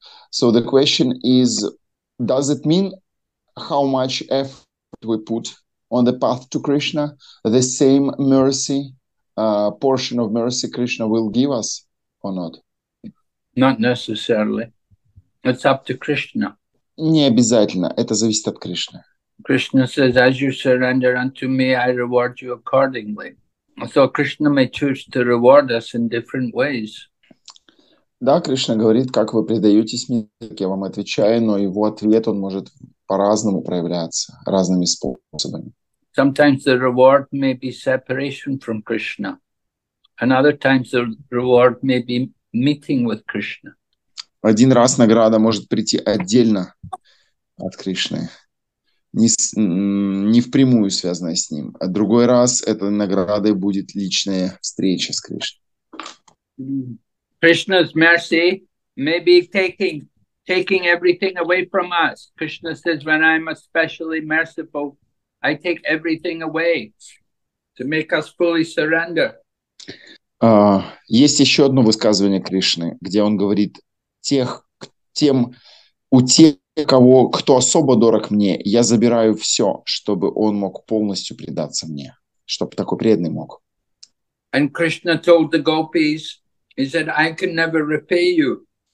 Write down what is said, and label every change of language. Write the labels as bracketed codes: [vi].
[en] So the question is, does it mean how much effort we put on the path to Krishna, the same mercy, portion of mercy Krishna will give us or not? Not necessarily. It's up to Krishna. [ru] Не обязательно. Это зависит от Кришны. [en] Krishna says, as you surrender unto me, I reward you accordingly. So Krishna may choose to reward us in different ways. [ru] Да, Кришна говорит, как вы предаетесь мне, так я вам отвечаю, но его ответ, он может по-разному проявляться, разными способами. [en] Sometimes the reward may be separation from Krishna. Another time the reward may be meeting with Krishna. [ru] Один раз награда может прийти отдельно от Кришны, не впрямую связанная с ним, а другой раз этой наградой будет личная встреча с Кришной. Krishna's mercy may be taking everything away from us. Krishna says, when I'm especially merciful, I take everything away to make us fully surrender. Есть еще одно высказывание Кришны, где он говорит, кто особо дорог мне, я забираю все, чтобы он мог полностью предаться мне, чтобы такой преданный мог. [en] And Krishna told the gopis, he said, I can never repay you.